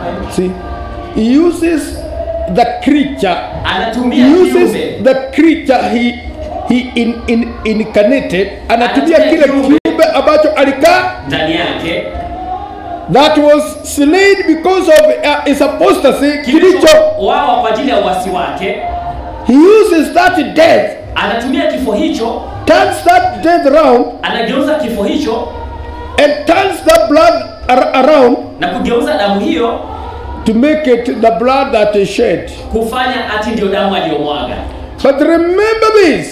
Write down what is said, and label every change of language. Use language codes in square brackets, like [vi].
[en] See, he uses the creature. [sw] Anatumia [en] he uses kiume. The creature he incarnated. [sw] Anatumia kile kiumbe ambacho alika ndani yake. [en] That was slain because of his apostasy. [sw] Kilicho wao kwa ajili ya uasi wake. [en] He uses that death. [sw] Anatumia kifo hicho. [en] Turns that death around. [sw] Anageuza kifo hicho. [en] And turns that blood around. [sw] Na kugeuza damu hiyo. [en] To make it the blood that is shed. [sw] Kufanya ati ndio damu aliyomwaga. [en] But remember this.